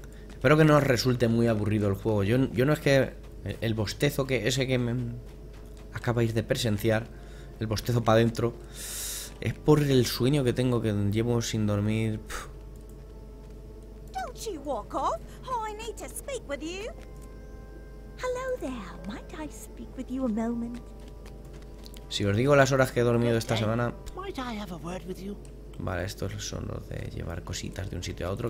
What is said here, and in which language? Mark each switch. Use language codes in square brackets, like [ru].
[es] Espero que no os resulte muy aburrido el juego. Yo no es que. El bostezo que ese que me acabáis de presenciar, el bostezo para adentro, es por el sueño que tengo, que llevo sin dormir. [en] Don't you walk off. Oh, I need to speak with you. Hello there. Might I speak with you a moment? [es] Si os digo las horas que he dormido esta semana. [en] Might I have a word with you? [es] Vale, estos son los de llevar cositas de un sitio a otro.